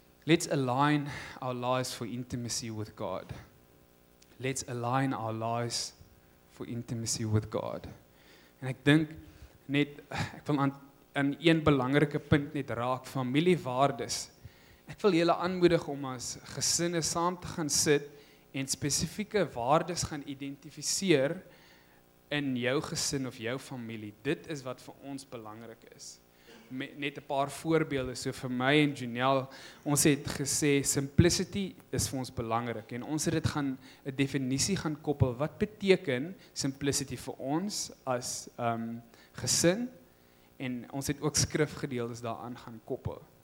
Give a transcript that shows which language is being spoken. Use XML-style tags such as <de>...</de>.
<en>Let's align our lives for intimacy with God. Let's align our lives for intimacy with God.</en> <af>En ek dink net, ek wil aan een belangrike punt net raak, familiewaardes. Ek wil julle aanmoedig om as gesinne saam te gaan sit en spesifieke waardes gaan identifiseer in jou gesin of jou familie. Dit is wat vir ons belangrik is. Net 'n paar voorbeelde, so vir my en Janelle, ons het gesê simplicity is vir ons belangrik en ons het dit gaan 'n definisie gaan koppel. Wat beteken simplicity vir ons as gesin? En ons het ook skrifgedeeltes daaraan gaan koppel.</af>